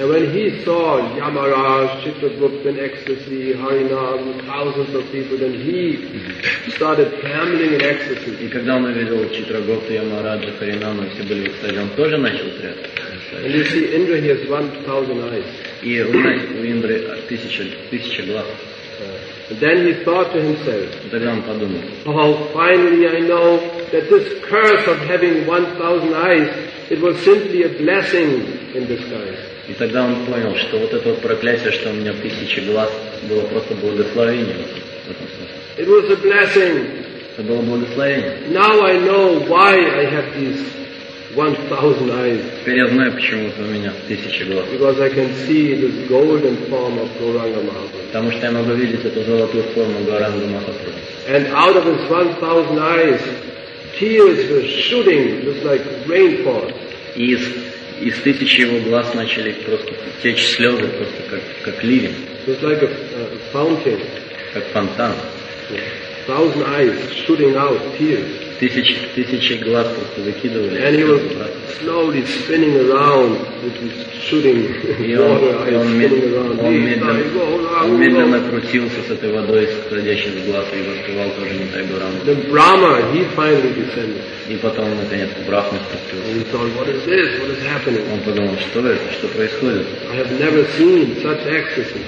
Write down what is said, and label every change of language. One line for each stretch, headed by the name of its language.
English: And when he saw Yamaraj, Chitragupta in ecstasy, Harinam, thousands of people, then he started trembling in ecstasy.
Russian: И когда он увидел Читрагупту, Ямараджа, Харинама, все были в экстазе, он тоже начал трясти.
English: And you see, Indra, he has 1,000 eyes.
Russian: И у Индры тысяча глаз.
English: Then he thought to himself, oh, finally I know that this curse of having 1,000 eyes, it was simply a blessing in disguise.
Russian: И тогда он понял, что вот это вот проклятие, что у меня тысячи глаз, было просто благословением.
English: It was a blessing.
Russian: Это было благословение.
English: Now I know why I have these 1,000 eyes.
Russian: Теперь я знаю, почему у меня тысячи глаз.
English: Because I can see this golden form of Gauranga Mahaprabhu.
Russian: Потому что я могу видеть эту золотую форму Гауранга Махапрабху.
English: And out of his 1,000 eyes, tears were shooting just like rainfall.
Russian: Из тысячи его глаз начали просто течь слезы, просто как ливень.
English: Just like a fountain.
Russian: Как фонтан.
English: Yeah. 1,000 eyes shooting out tears.
Russian: Тысячи глаз просто выкидывали.
English: And he was slowly spinning around with his shooting
Russian: Он медленно крутился с этой водой, сходящей с глаз, и воспевал тоже Нитай Гауранга.
English: The Brahma, he finally descended.
Russian: И потом, наконец, Брахма спустился.
English: And he thought, what is this? What is happening?
Russian: Он подумал, что это? Что происходит?
English: I have never seen such ecstasy.